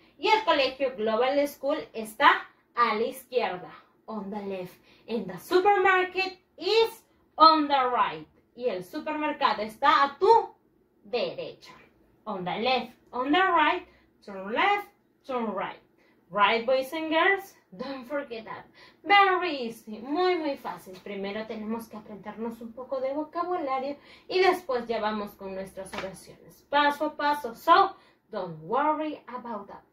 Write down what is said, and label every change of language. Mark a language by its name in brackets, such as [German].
[Spanish] Y el colegio Global School está a la izquierda, [English] on the left. And the supermarket is on the right. [Spanish] Y el supermercado está a tu derecha. [English] On the left, on the right, turn left, turn right. Right, boys and girls, don't forget that. Very easy, [Spanish] muy, muy fácil. Primero tenemos que aprendernos un poco de vocabulario y después ya vamos con nuestras oraciones. Paso a paso, [English] so don't worry about that.